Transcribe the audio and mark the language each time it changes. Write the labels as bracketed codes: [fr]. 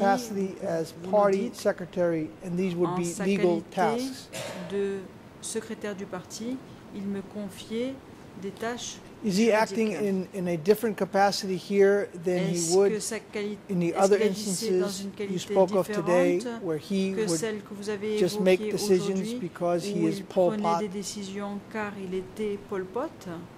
[en] capacity as party secretary, and these would be legal tasks. [fr] De secrétaire du parti, il me confiait des tâches. [en] Is he acting in a different capacity here than he would in the other instances you spoke of today, where he would just make decisions because he is Pol Pot? [fr] Prenait des décisions car il était Pol Pot.